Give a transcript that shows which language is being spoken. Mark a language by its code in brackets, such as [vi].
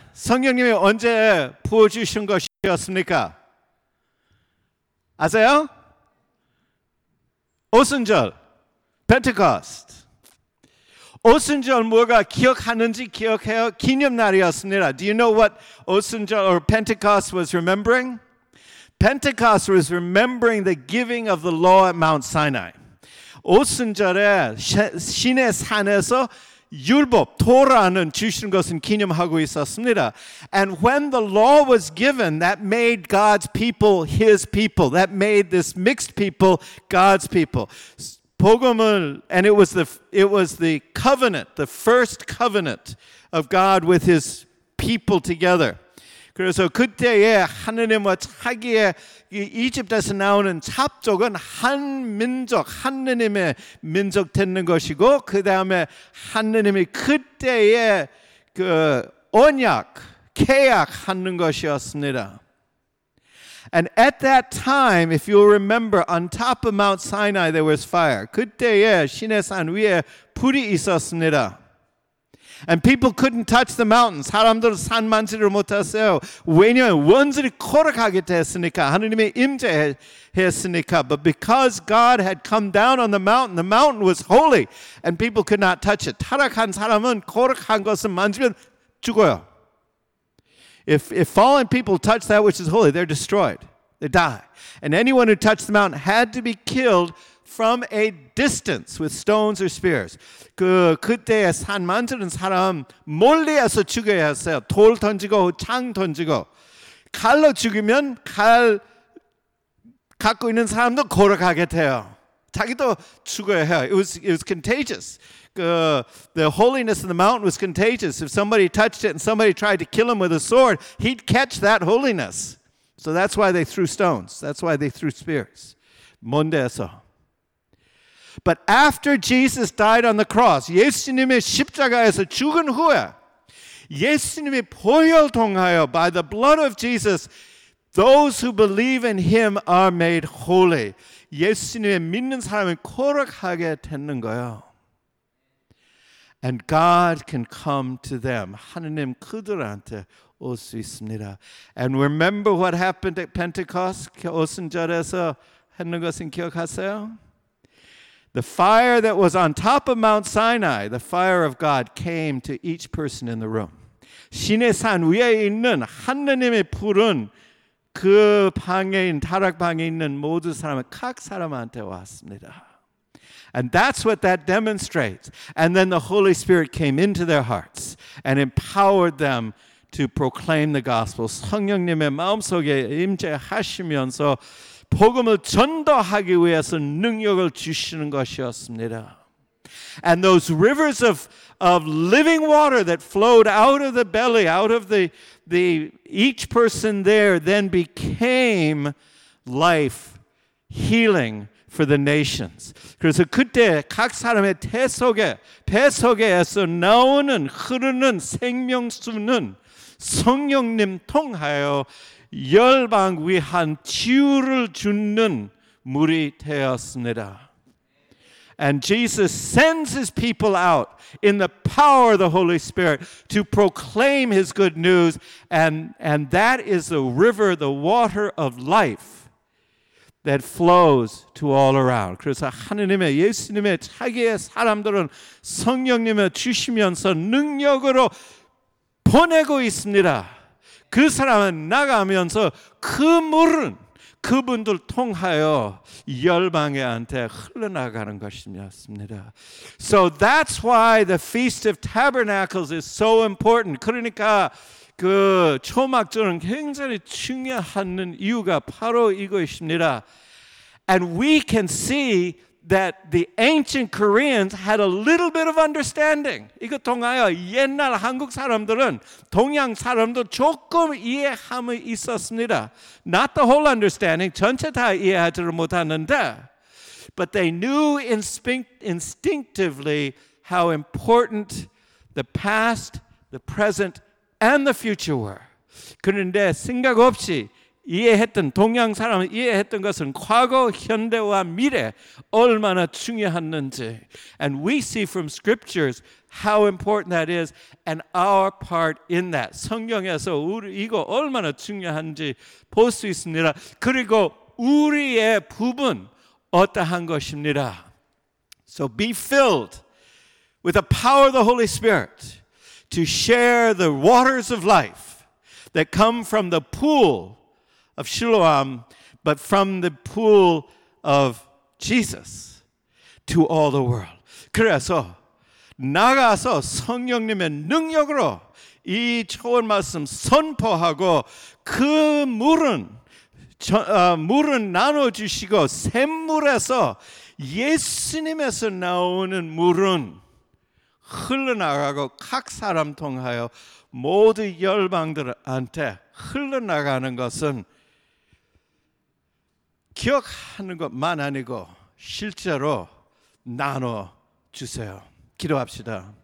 [ko] 성령님이 언제 부어주신 것이었습니까? 아세요? 오순절, Pentecost. 오순절 뭐가 기억하는지 기억해요? 기념날이었습니다. [en] Do you know what 오순절 or Pentecost was remembering? Pentecost was remembering the giving of the law at Mount Sinai. [ko] 오순절에 신의 산에서 율법, 토라는 주시는 것은 기념하고 있었습니다. [en] And when the law was given, that made God's people his people. That made this mixed people God's people. 복음을, and it was the covenant, the first covenant of God with his people together. [ko] 그래서 그때에 하느님과 자기의 이집트에서 나오는 잡족은 한 민족, 하느님의 민족 되는 것이고 그다음에 하느님이 그때에 그 언약, 계약하는 것이었습니다. [en] And at that time, if you'll remember, on top of Mount Sinai there was fire. [ko] 그때에 시내산 위에 불이 있었습니다. [en] And people couldn't touch the mountains. [ko] 사람들은 산 만지를 못했어요. 왜냐하면 원수들이 코락하게 됐으니까 하느님의 임재했으니까. [en] But because God had come down on the mountain was holy, and people could not touch it. [ko] 타락한 사람은 코락한 것을 만지면 죽어요. [en] If fallen people touch that which is holy, they're destroyed. They die. And anyone who touched the mountain had to be killed from a distance with stones or spears. [ko] 그때 산 만지는 사람 멀리에서 죽여야 했어요. 돌 던지고 창 던지고 칼로 죽이면 칼 갖고 있는 사람도 고락하게 돼요. 자기도 죽어야 해요. [en] It was contagious. The holiness of the mountain was contagious. If somebody touched it and somebody tried to kill him with a sword, he'd catch that holiness. So that's why they threw stones. That's why they threw spears. [ko] 먼데서. [en] But after Jesus died on the cross, [ko] 예수님의 십자가에서 죽은 후에, 예수님의 보혈 통하여 [en] by the blood of Jesus, those who believe in him are made holy. [ko] 예수님의 믿는 사람은 거룩하게 되는 거예요. [en] And God can come to them. [ko] 하느님 그들한테 올 수 있습니다. [en] And remember what happened at Pentecost? [ko] 오순절에서 했는 것은 기억하세요? [en] The fire that was on top of Mount Sinai, the fire of God came to each person in the room. [ko] 시내산 위에 있는 하느님의 불은 그 방에 있는 타락방에 있는 모든 사람의 각 사람한테 왔습니다. [en] And that's what that demonstrates. And then the Holy Spirit came into their hearts and empowered them to proclaim the gospel. [ko] 성령님의 마음속에 임재하시면서 복음을 전도하기 위해서 능력을 주시는 것이었습니다. [en] And those rivers of living water that flowed out of the belly, out of the each person there, then became life, healing for the nations. [ko] 그래서 그때 각 사람의 폐 속에서 나오는 흐르는 생명수는 성령님 통하여 열방 위한 치유를 주는 물이 되었습니다. [en] And Jesus sends his people out in the power of the Holy Spirit to proclaim his good news. And that is the river, the water of life that flows to all around. [ko] 그래서 하느님의 예수님의 자기의 사람들은 성령님을 주시면서 능력으로 보내고 있습니다. 그 사람은 나가면서 그 물은 그분들 통하여 열방에한테 흘러나가는 것이었습니다. [en] So that's why the Feast of Tabernacles is so important. [ko] 그러니까 그 초막절은 굉장히 중요한 이유가 바로 이것입니다. [en] And we can see that the ancient Koreans had a little bit of understanding. [ko] 이거 통하여 옛날 한국 사람들은 동양 사람도 조금 이해함이 있었습니다. [en] Not the whole understanding, [ko] 전체 다 이해하지를 못하는데, [en] but they knew instinctively how important the past, the present, and the future were. [ko] 그런데 생각 없이 이해했던 동양 사람이 이해했던 것은 과거, 현대와 미래 얼마나 중요한지. [en] And we see from scriptures how important that is and our part in that. [ko] 성경에서 우리 이거 얼마나 중요한지 볼 수 있습니다. 그리고 우리의 부분 어떠한 것입니다. So be filled with the power of the Holy Spirit to share the waters of life that come from the pool of Siloam, but from the pool of Jesus to all the world. 그래서 나가서 성령님의 능력으로 이 좋은 말씀 선포하고 그 물은 물은 나눠주시고 샘물에서 예수님에서 나오는 물은 흘러나가고 각 사람 통하여 모든 열방들한테 흘러나가는 것은 기억하는 것만 아니고 실제로 나눠주세요. 기도합시다.